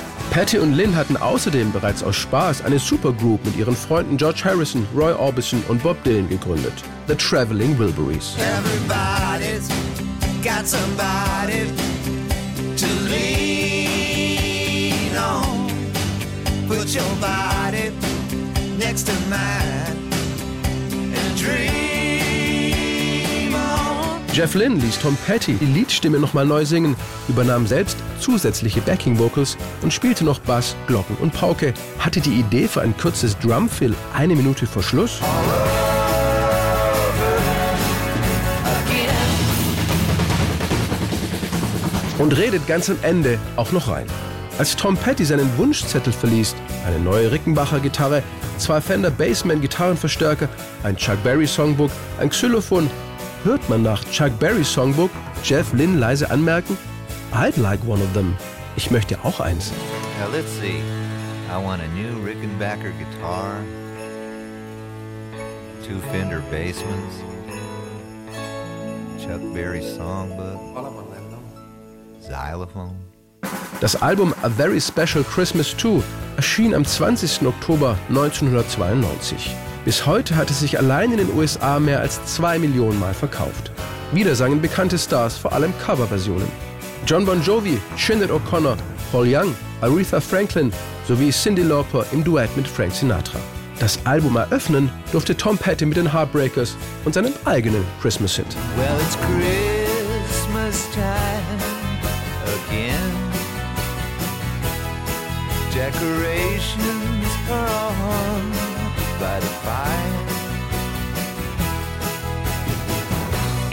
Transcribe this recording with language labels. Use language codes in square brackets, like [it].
[de] Petty und Lynne hatten außerdem bereits aus Spaß eine Supergroup mit ihren Freunden George Harrison, Roy Orbison und Bob Dylan gegründet. [en] The Traveling Wilburys. Everybody's got somebody to lean on. Put your body next to mine and dream on. [de] Jeff Lynne ließ Tom Petty die Leadstimme nochmal neu singen, übernahm selbst zusätzliche Backing-Vocals und spielte noch Bass, Glocken und Pauke, hatte die Idee für ein kurzes Drum-Fill eine Minute vor Schluss und redet ganz am Ende auch noch rein. Als Tom Petty seinen Wunschzettel verliest, eine neue Rickenbacher-Gitarre, 2 Fender Bassman-Gitarrenverstärker, ein Chuck Berry-Songbook, ein Xylophon, hört man nach Chuck Berry-Songbook Jeff Lynne leise anmerken: [en] I'd like one of them. [de] Ich möchte auch eins. [en] Now let's see. I want a new Rickenbacker guitar, 2 Fender Bassmans, Chuck Berry songbook, xylophone. [de] Das Album A Very Special Christmas 2 erschien am 20. Oktober 1992. Bis heute hat es sich allein in den USA mehr als 2 Millionen Mal verkauft. Wieder sangen bekannte Stars vor allem Coverversionen. John Bon Jovi, Sinead O'Connor, Paul Young, Aretha Franklin sowie Cyndi Lauper im Duett mit Frank Sinatra. Das Album eröffnen durfte Tom Petty mit den Heartbreakers und seinem eigenen Christmas-Hit. [en] Well, it's Christmas time again. Decorations are hung by the fire.